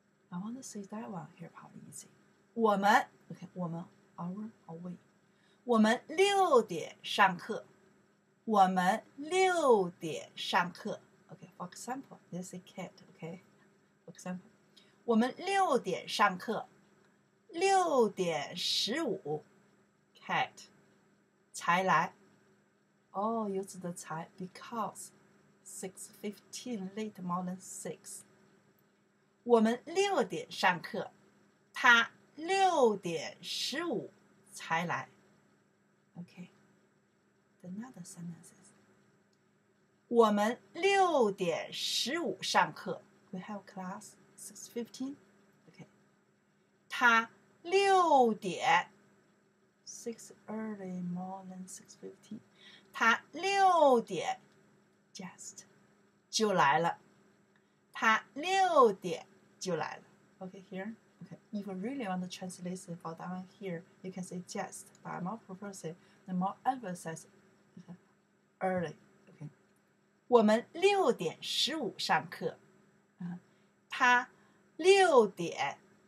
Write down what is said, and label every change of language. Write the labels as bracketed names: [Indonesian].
[English] I want to say that one here probably easy 我们 OK 我们 our or we [Chinese] 我们六点上课我们六点上课 [English] OK for example let's say cat OK for example [Chinese] 我们六点上课六点十五 [English] ，cat [Chinese] 才来。 [English] Oh, use the 才 because 6:15 late more than 6. [Chinese] 我们六点上课，他六点十五才来。 [English] Okay, the another sentence is [Chinese] 我们六点十五上课。 [English] We have class 6:15. Okay, [Chinese] 他。六点 ， [English] six early more than 6:15， [Chinese] 他六点 ，just 就来了，他六点就来了。 [English] Okay, here. Okay, if you really want to translate for that one here, you can say just, but I'm more prefer say the more emphasize early. Okay, [Chinese] 我们六点十五上课，他六点。